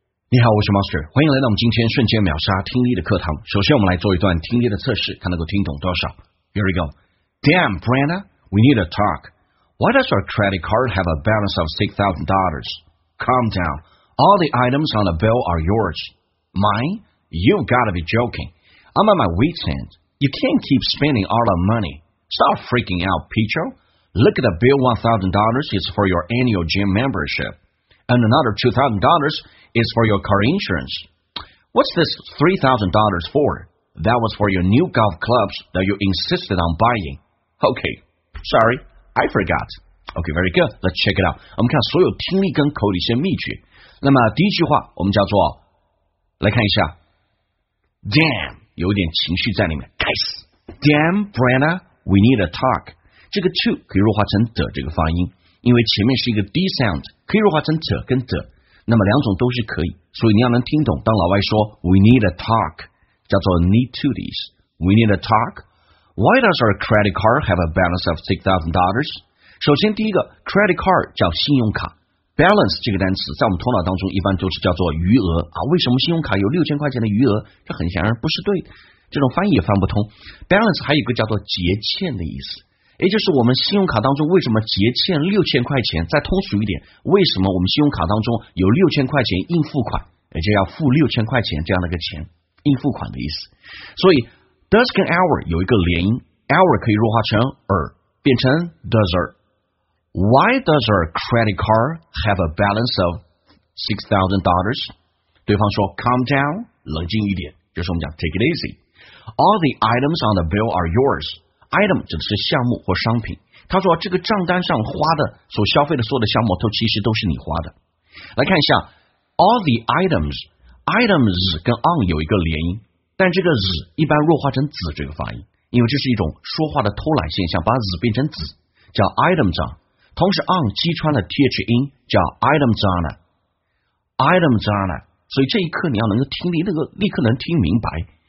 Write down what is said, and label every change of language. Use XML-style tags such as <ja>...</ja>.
<zh>你好，我是 Monster， 欢迎来到我们今天瞬间秒杀听力的课堂。首先我们来做一段听力的测试，看能够听懂多少。</zh> <en>Here we go. Damn, Brenda, we need to talk. Why does our credit card have a balance of $6,000? Calm down. All the items on the bill are yours. Mine? You've got to be joking. I'm at my wit's end. You can't keep spending all our money. Stop freaking out, Pichu. Look at the bill. $1,000 is for your annual gym membership. And another $2,000 is for your car insurance. What's this $3,000 for? That was for your new golf clubs that you insisted on buying. Okay, sorry, I forgot. Okay, very good. Let's check it out.</en> <zh>我们看所有听力跟口语一些秘诀。那么第一句话我们叫做，来看一下。 Damn, 有点情绪在里面。该死。</zh> <en>Damn, Brenda, we need to talk.</en> <zh>这个 to 可以弱化成的这个发音。因为前面是一个 D sound， 可以弱化成 t 跟 t， 那么两种都是可以，所以你要能听懂。当老外说</zh> <en>"We need to talk"，</en> <zh>叫做 "need to this"， "We need to talk"。</zh> <en>Why does our credit card have a balance of $6,000？</en> <zh>首先，第一个 credit card 叫信用卡 ，balance 这个单词在我们头脑当中一般都是叫做余额啊。为什么信用卡有6000块钱的余额？这很显然不是对，这种翻译也翻不通。 balance 还有一个叫做结欠的意思。也就是我们信用卡当中为什么结欠6000块钱？再通俗一点，为什么我们信用卡当中有6000块钱应付款，也就要付6000块钱这样的一个钱，应付款的意思。所以 does 跟 our 有一个连音 ，our 可以弱化成 er， 变成 does er。</zh> <en>Why does our credit card have a balance of $6,000？</en> <zh>对方说 calm down， 冷静一点，就是我们讲 take it easy。</zh> <en>All the items on the bill are yours。</en> <zh>item 指的是项目或商品，他说这个账单上花的所消费的所有的项目都其实都是你花的。来看一下 all the items， items 跟 on 有一个连音，但这个 z 一般弱化成 z 这个发音，因为这是一种说话的偷懒现象，把 z 变成 z 叫 items on， 同时 on 击穿了 th 音叫 items on， items on， 所以这一刻你要能够听力那个立刻能听明白。</zh>